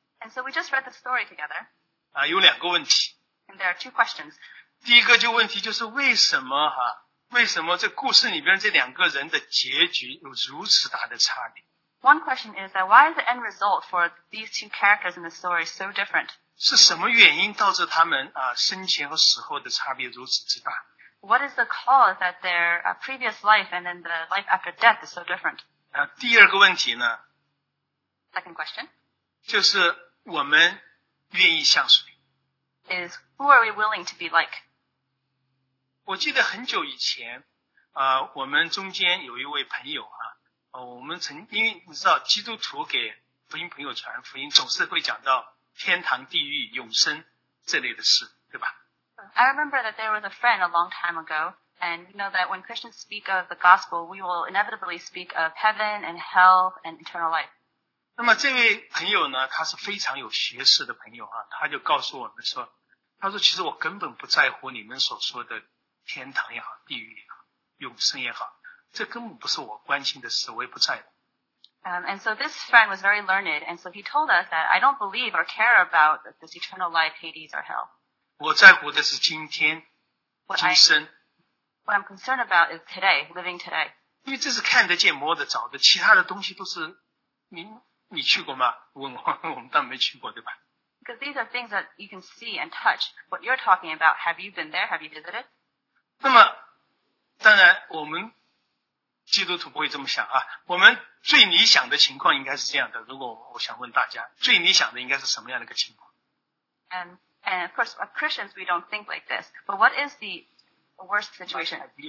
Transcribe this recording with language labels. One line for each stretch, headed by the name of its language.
English: And so we just read the story together.
Chinese: 啊，有两个问题。
English: And there are two questions.
Chinese: 第一个就问题就是为什么哈、啊？为什么这故事里边这两个人的结局有如此大的差别？
English: One question is that why is the end result for these two characters in the story so different?
Chinese: 是什么原因导致他们啊生前和死后的差别如此之大？
English: What is the cause that their previous life and then the life after death is so different?
Chinese: 啊，第二个问题呢？
English: Second question.
Chinese: 就是我们愿意像谁？
English: Is who are we willing to be like?
Chinese: 我记得很久以前啊，我们中间有一位朋友啊。我们曾因为你知道基督徒给福音朋友传福音总是会讲到天堂地狱永生这类的事对吧
English: I remember that there was a friend a long time ago and you know that when Christians speak of the gospel we will inevitably speak of heaven and hell and eternal life
Chinese: 那么这位朋友呢他是非常有学识的朋友啊，他就告诉我们说他说其实我根本不在乎你们所说的天堂也好地狱也好永生也好这根本不是我关心的事，我也不在乎。
English: And so this friend was very learned, and so he told us that I don't believe or care about this eternal life, Hades or hell.
Chinese: 我在乎的是今天，今生。
English: What I'm concerned about is today, living today.
Chinese: 因为这是看得见摸得着的，其他的东西都是你去过吗？我们当然没去过，对吧？
English: Because these are things that you can see and touch. What you're talking about, have you been there? Have you visited?
Chinese: 那么当然我们基督徒不会这么想啊，我们最理想的情况应该是这样的。如果我想问大家，最理想的应该是什么样的一个情况？
English: And of course, as Christians, we don't think like this. But what is the worst situation?